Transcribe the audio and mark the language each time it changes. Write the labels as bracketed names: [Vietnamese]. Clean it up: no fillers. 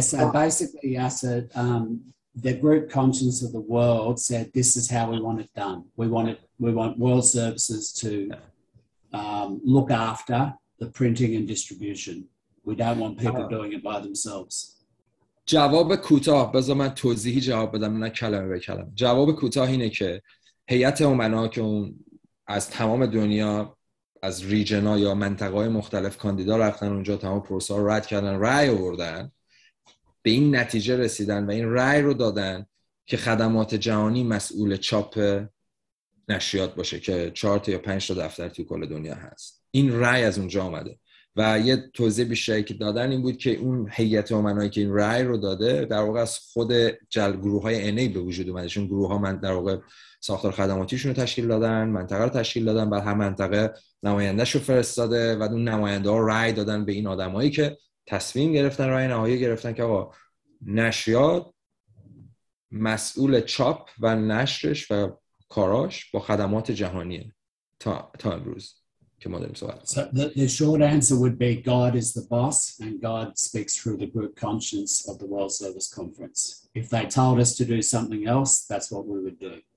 [English] So basically, Yasser, the group conscience of the world said, this is how we want it done. We want World Services to look after the printing and distribution. We don't want people doing it by themselves. [Persian] جواب کوتاه بذار من توضیحی جواب بدم نه کلمه به کلمه. جواب کوتاه اینه که هیئت امنا که اون از تمام دنیا از ریجنا یا منطقه‌های مختلف کاندیدا رفتن اونجا تمام پروسه رو رد کردن، رأی آوردن، به این نتیجه رسیدن و این رأی رو دادن که خدمات جهانی مسئول چاپ نشریات باشه که 4 تا یا 5 تا دفتر تو کل دنیا هست. این رأی از اونجا اومده و یه توضیح بیشتری که دادن این بود که اون هیئت امنایی که این رأی رو داده در واقع از خود گروه های NA به وجود اومده. چون گروه ها من در واقع ساختار خدماتیشون رو تشکیل دادن، منطقه رو تشکیل دادن، بعد هم منطقه نمایندهش رو فرستاده و اون نماینده ها رأی دادن به این آدم هایی که تصمیم گرفتن، رأی نهایی گرفتن که آقا نشریات مسئول چاپ و نشرش و کاراش با خدمات جهانیه تا امروز. [English] So the short answer would be God is the boss and God speaks through the group conscience of the World Service Conference. If they told us to do something else, that's what we would do.